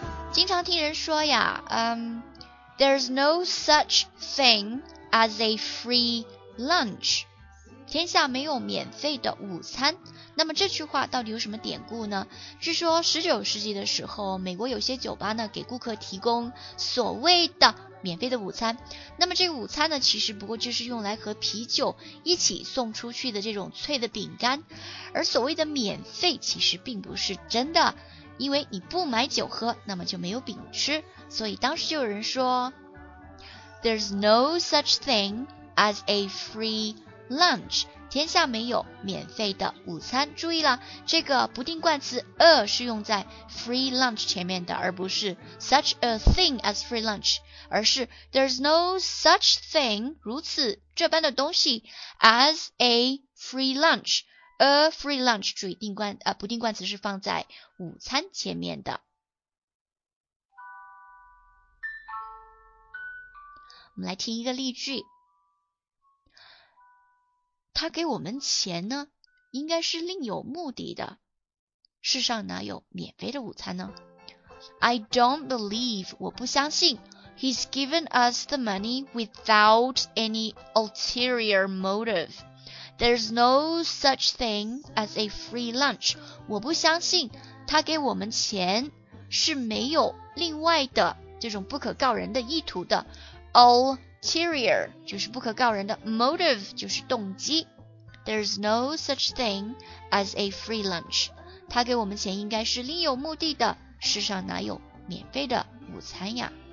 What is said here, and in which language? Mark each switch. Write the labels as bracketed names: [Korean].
[Chinese] 经常听人说呀， [English] there's no such thing as a free lunch. [Chinese] 天下没有免费的午餐。那么这句话到底有什么典故呢？据说19世纪的时候，美国有些酒吧呢给顾客提供所谓的免费的午餐。那么这个午餐呢，其实不过就是用来和啤酒一起送出去的这种脆的饼干。而所谓的免费其实并不是真的，因为你不买酒喝，那么就没有饼吃。所以当时就有人说 [English] There's no such thing as a free lunch. [Chinese] 天下没有免费的午餐。注意了，这个不定冠词 a 是用在 free lunch 前面的，而不是 [English] such a thing as free lunch. [Chinese] 而是 [English] there's no such thing [Chinese] 如此这般的东西 [English] as a free lunch [Chinese] a free lunch 注意定冠不定冠词是放在午餐前面的。我们来听一个例句，他给我们钱呢应该是另有目的的，世上哪有免费的午餐呢？ [English] I don't believe [Chinese] 我不相信 [English] He's given us the money without any ulterior motive. There's no such thing as a free lunch. [Chinese] 我不相信他给我们钱是没有另外的这种不可告人的意图的。 Ulterior 就是不可告人的， motive 就是动机。 [English] There's no such thing as a free lunch. [Chinese] 他给我们钱应该是另有目的的，世上哪有免费的午餐呀。